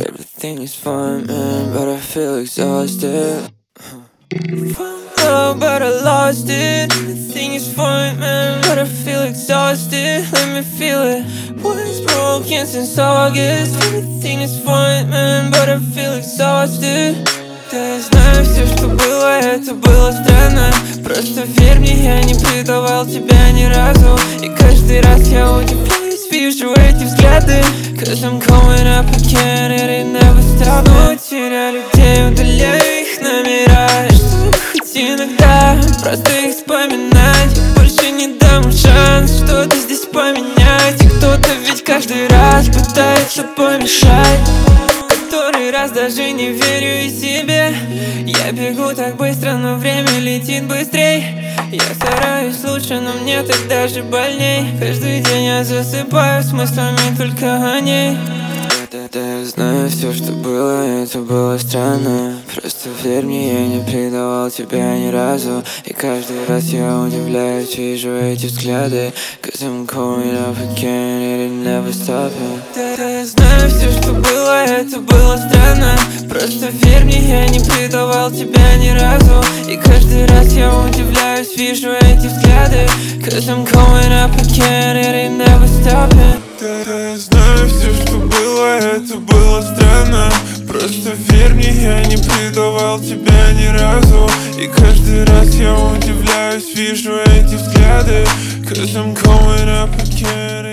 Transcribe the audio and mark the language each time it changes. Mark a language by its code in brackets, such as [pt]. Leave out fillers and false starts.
[en] Everything is fine, man, but I feel exhausted. Found love, but I lost it. Everything is fine, man, but I feel exhausted. Let me feel it. Was broken since August. Everything is fine, man, but I feel exhausted. [ru] Ты знаешь, все, что было, это было странно. Просто верь мне, я не предавал тебя ни разу. И каждый раз я удивляюсь, вижу эти взгляды. [en] Cause I'm going up again, and it never stopped. [ru] Теряю людей, удаляю их номера. Чтобы хоть иногда просто их вспоминать. Больше не дам шанс что-то здесь поменять. И кто-то ведь каждый раз пытается помешать. Который раз даже не верю и себе. Я бегу так быстро, но время летит быстрей. Я стараюсь лучше, но мне так даже больней. Каждый день я засыпаю с мыслями только о ней. Да, я знаю, все, что было, это было странно. Просто верь мне, я не предавал тебя ни разу. И каждый раз я удивляюсь, вижу эти взгляды. [en] Cause I'm going up again, and it never stops. [ru] Да, я знаю, все, что было, это было странно. Просто верь мне, я не предавал тебя ни разу. И каждый раз я удивляюсь, вижу эти взгляды. [en] Cause I'm going up again, and it never stops. [ru] Да, я знаю, все, что было, это было странно. Просто верь мне, я не предавал тебя ни разу. И каждый раз я удивляюсь, вижу эти взгляды. [en] Cause I'm coming up again.